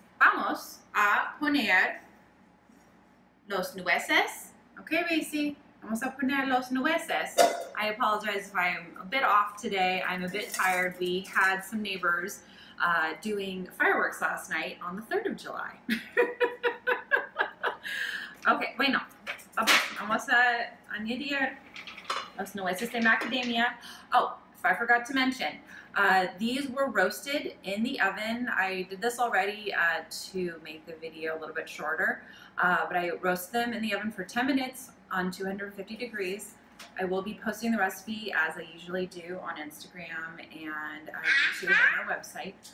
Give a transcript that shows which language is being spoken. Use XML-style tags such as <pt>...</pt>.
<es>Vamos a poner los nueces. Okay, Racy. Vamos a poner los nueces.</es> <en>I apologize if I am a bit off today. I'm a bit tired. We had some neighbors doing fireworks last night on the 3rd of July.</en> <es>Okay, bueno. Vamos a añadir los nueces de macadamia.</es> <en>Oh, if I forgot to mention. These were roasted in the oven. I did this already to make the video a little bit shorter, but I roasted them in the oven for 10 minutes on 250 degrees. I will be posting the recipe as I usually do on Instagram and YouTube on our website.</en>